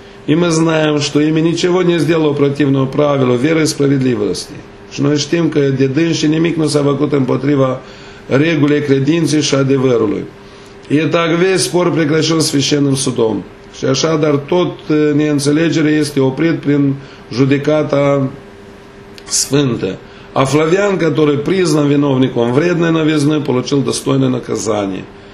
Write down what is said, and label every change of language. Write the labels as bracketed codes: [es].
[ru] И мы знаем, что ими ничего не сделало противного правилу веры и справедливости. [ro] Și noi știm că de dânși nimic nu s-a făcut împotriva regulei credinței și adevărului. [ru] И так весь спор прекращен священным судом. [ro] Și așadar tot neînțelegere este oprit prin judecata sfântă. [ru] А Флавиан, который признан виновником вредной новизны, получил достойное наказание.